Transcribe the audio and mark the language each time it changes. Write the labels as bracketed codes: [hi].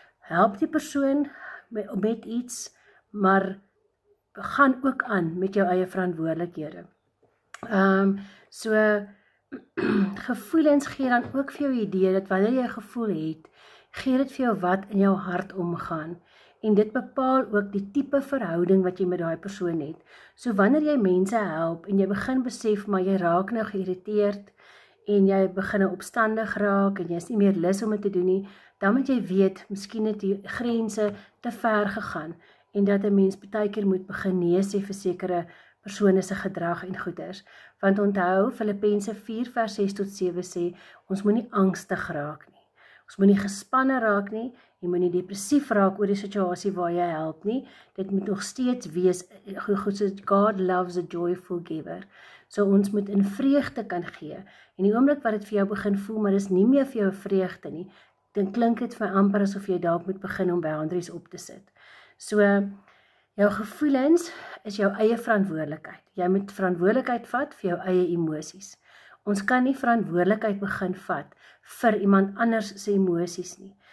[af] Help die persoon met iets, maar gaan ook aan met jou eie verantwoordelikhede. So gevoelens gee dan ook vir jou idee dat wanneer jy 'n gevoel het, gee dit vir jou wat in jou hart omgaan. En dit bepaal ook die tipe verhouding wat jy met daai persoon het. So wanneer jy mense help en jy begin besef maar jy raak nou geïrriteerd en jy begin opstandig raak en jy is nie meer lus om dit te doen nie, dan moet jy weet, miskien het die grense te ver gegaan en dat 'n mens baie keer moet begin nee sê vir sekere persone se gedrag en goeders. Want onthou, Filippense 4 vers 6 tot 7 sê, ons moenie angstig raak nie. Ons moenie gespanne raak nie. Jy moet nie depressief raak oor die situasie waar jy help nie. Dit moet nog steeds wees, [en] God loves a joyful giver. [af] So ons moet in vreugde kan gee. En die oomblik wat dit vir jou begin voel, maar is nie meer vir jou vreugde nie, dan klink dit vir amper asof jy dalk moet begin om boundaries op te sit. So, jou gevoelens is jou eie verantwoordelikheid. Jy moet verantwoordelikheid vat vir jou eie emosies. Ons kan nie verantwoordelikheid begin vat vir iemand anders se emosies nie.